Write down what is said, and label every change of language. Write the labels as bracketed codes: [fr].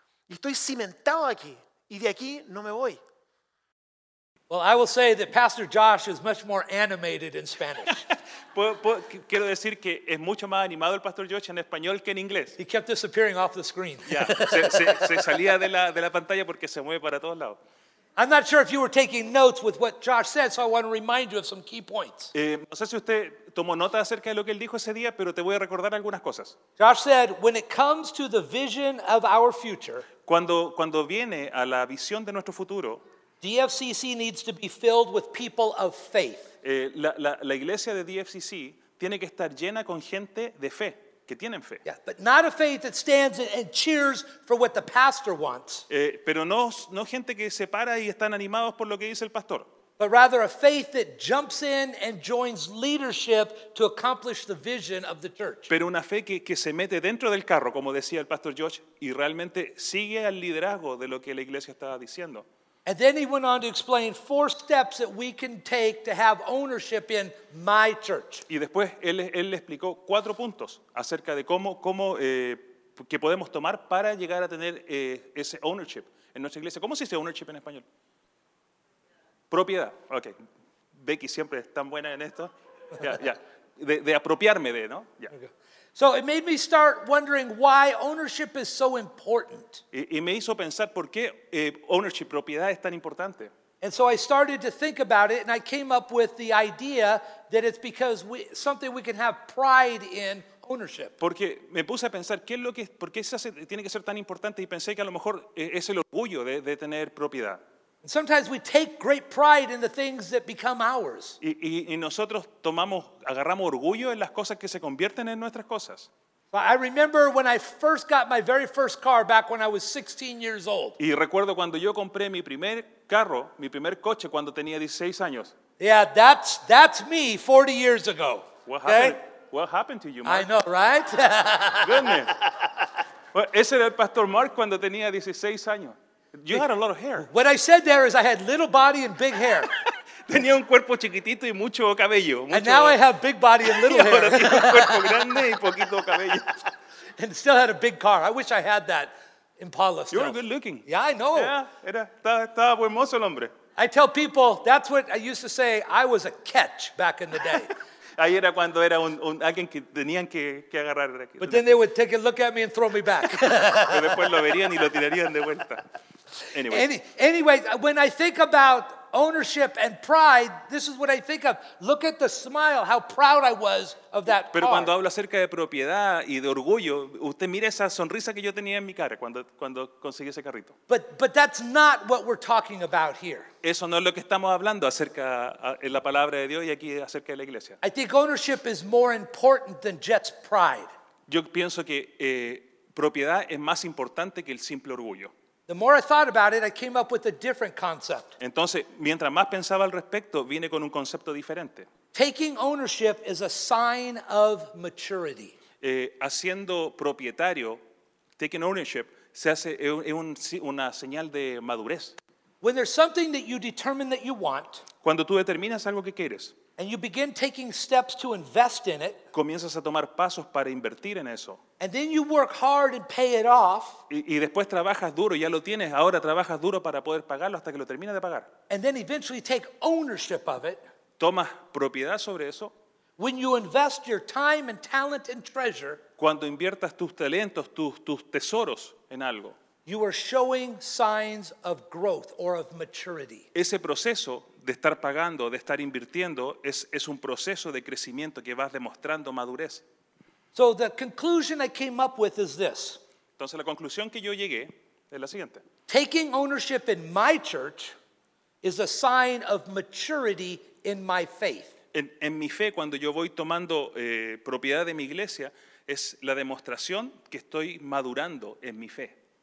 [es] Y estoy cimentado aquí y de aquí no me voy. [en] Well, I will say that Pastor Josh is much more animated in Spanish. [es] Quiero decir que es mucho más animado el Pastor Josh en español que en inglés. [en] He kept disappearing off the screen. [es] Yeah, se salía de la pantalla porque se mueve para todos lados. [en] I'm not sure if you were taking notes with what Josh said, so I want to remind you of some key points. [es] No sé si usted tomó nota acerca de lo que él dijo ese día, pero te voy a recordar algunas cosas. [en] Josh said, when it comes to the vision of our future, [es] cuando viene a la visión de nuestro futuro, [en] DFCC needs to be filled with people of faith. [es] La iglesia de DFCC tiene que estar llena con gente de fe. Que tienen fe. [en] Yeah, but not a faith that stands and cheers for what the pastor wants. [es] Pero no gente que se para y están animados por lo que dice el pastor. [en] But rather a faith that jumps in and joins leadership to accomplish the vision of the church. [es] Pero una fe que se mete dentro del carro, como decía el pastor Josh, y realmente sigue al liderazgo de lo que la iglesia estaba diciendo. [en] And then he went on to explain four steps that we can take to have ownership in my church. [es] Y después él le explicó cuatro puntos acerca de cómo que podemos tomar para llegar a tener ese ownership en nuestra iglesia. ¿Cómo se dice ownership en español? Propiedad. Okay. Becky siempre es tan buena en esto. De apropiarme de, ¿no? Yeah. Okay. [en] So it made me start wondering why ownership is so important. [es] Y me hizo pensar por qué ownership, propiedad, es tan importante. [en] And so I started to think about it, and I came up with the idea that it's because something we can have pride in ownership. [es] Porque me puse a pensar qué es lo que, por qué tiene que ser tan importante, y pensé que a lo mejor es el orgullo de tener propiedad. [en] And sometimes we take great pride in the things that become ours. [es] Y nosotros agarramos orgullo en las cosas que se convierten en nuestras cosas. [en] But I remember when I first got my very first car back when I was 16 years old. [es] Y recuerdo cuando yo compré mi primer carro, mi primer coche cuando tenía 16 años. [en] Yeah, that's me 40 years ago. What happened to you, Mark? I know, right? Goodness. [es] Well, ese era el Pastor Mark cuando tenía 16 años. [en] You had a lot of hair. What I said there is I had little body and big hair. [es] Tenía un cuerpo chiquitito y mucho cabello. [en] And now I have big body and little hair. [es] Y ahora tengo un cuerpo grande y poquito cabello. [en] And still had a big car. I wish I had that Impala still. You were good looking. Yeah, I know. [es] Yeah, estaba buen mozo el hombre. [en] I tell people, that's what I used to say, I was a catch back in the day. [es] Ahí era cuando era un alguien que tenían que agarrar. [en] But then they would take a look at me and throw me back. [es] Pero después lo verían y lo tirarían de vuelta. [en] Anyway, when I think about ownership and pride, this is what I think of. Look at the smile, how proud I was of that car. [es] Pero cuando hablo acerca de propiedad y de orgullo, usted mira esa sonrisa que yo tenía en mi cara cuando conseguí ese carrito. [en] But that's not what we're talking about here. [es] Eso no es lo que estamos hablando acerca en la palabra de Dios y aquí acerca de la iglesia. [en] I think ownership is more important than just pride. [es] Yo pienso que propiedad es más importante que el simple orgullo. [en] The more I thought about it, I came up with a different concept. [es] Entonces, mientras más pensaba al respecto, vine con un concepto diferente. [en] Taking ownership is a sign of maturity. [es] Haciendo propietario, [en] taking ownership, [es] se hace una señal de madurez. [en] When there's something that you determine that you want, [es] cuando tú determinas algo que quieres, [en] and you begin taking steps to invest in it. [es] Comienzas a tomar pasos para invertir en eso. [en] And then you work hard and pay it off. [es] Y después trabajas duro, ya lo tienes. Ahora trabajas duro para poder pagarlo hasta que lo termines de pagar. [en] And then eventually take ownership of it. [es] Tomas propiedad sobre eso. [en] When you invest your time and talent and treasure. [es] Cuando inviertas tus talentos, tus tesoros en algo. [en] You are showing signs of growth or of maturity. [es] Ese proceso de estar pagando, de estar invirtiendo, es un proceso de crecimiento que vas demostrando madurez. [en] So the conclusion I came up with is this. [es] Entonces la conclusión que yo llegué es la siguiente. [en] Taking ownership in my church is a sign of maturity in my faith. [es] En mi fe, cuando yo voy tomando propiedad de mi iglesia, es la demostración que estoy madurando en mi fe.